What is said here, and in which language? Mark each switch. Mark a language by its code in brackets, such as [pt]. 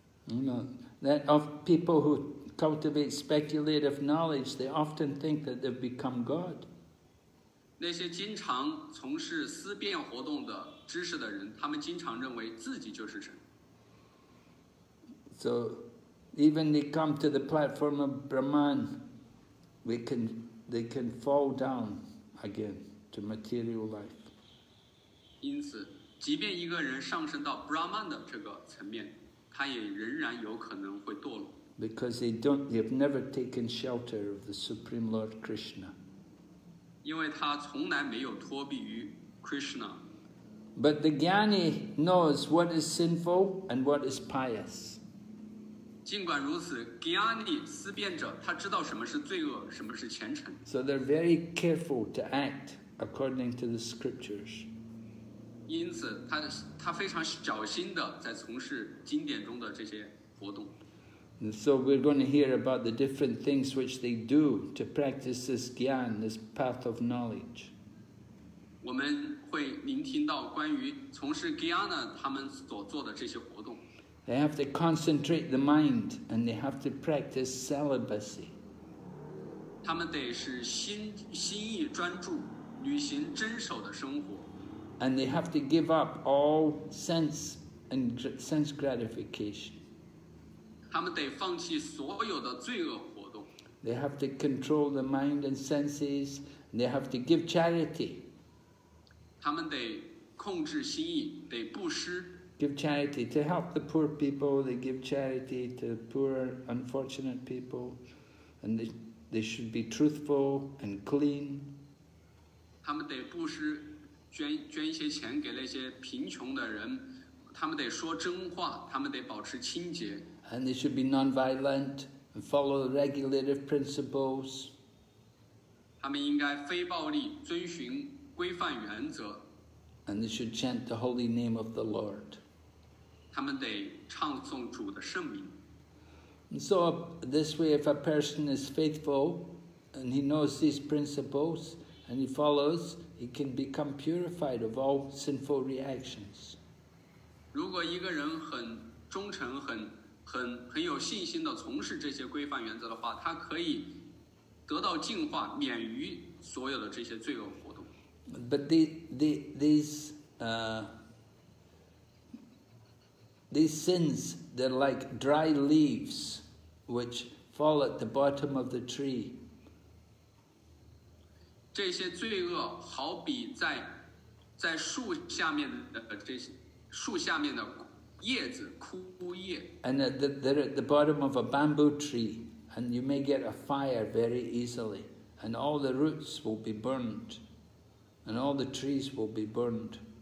[en] You know, that of people who cultivate speculative knowledge, they often think that they've become God. [zh] 那些经常从事思辨活动的知识的人，他们经常认为自己就是神。 [en] So, even they come to the platform of Brahman, they can fall down again to material life. [zh] 因此，即便一个人上升到 Brahman 的这个层面，他也仍然有可能会堕落。 [en] Because they've never taken shelter of the Supreme Lord Krishna. [zh] 因为他从来没有脱避于 Krishna. [en] But the Gyani knows what is sinful and what is pious. [zh] 尽管如此 ，Gyani 思辨者他知道什么是罪恶，什么是虔诚。 [en] So they're very careful to act according to the scriptures. [zh] 因此他非常小心的在从事经典中的这些活动。 [en] And so we're going to hear about the different things which they do to practice this gyan, this path of knowledge. [zh] 我们会聆听到关于从事 gyana 他们所做的这些活动。 [en] They have to concentrate the mind, and they have to practice celibacy. [zh] 他们得是心意专注，履行真守的生活。 [en] And they have to give up all sense gratification. [zh] 他们得放弃所有的罪恶活动。 [en] They have to control the mind and senses. They have to give charity. [zh] 他们得控制心意，得布施。 [en] Give charity to help the poor people. They give charity to poor, unfortunate people, and they should be truthful and clean. [zh] 他们得布施，捐一些钱给那些贫穷的人。他们得说真话，他们得保持清洁。 [en] And they should be non-violent and follow the regulative principles. [zh] 他们应该非暴力，遵循规范原则。 [en] And they should chant the holy name of the Lord. [zh] 他们得唱诵主的圣名。 [en] And so this way, if a person is faithful and he knows these principles and he follows, he can become purified of all sinful reactions. [zh] 如果一个人很忠诚，很很有信心地从事这些规范原则的话, 他可以得到净化, 免于所有的这些罪恶活动。 [en] But these sins, they're like dry leaves which fall at the bottom of the tree. [zh] 这些罪恶好比在树下面的叶子枯叶。 [en] And they're at the bottom of a bamboo tree, and you may get a fire very easily, and all the roots will be burned, and all the trees will be burned.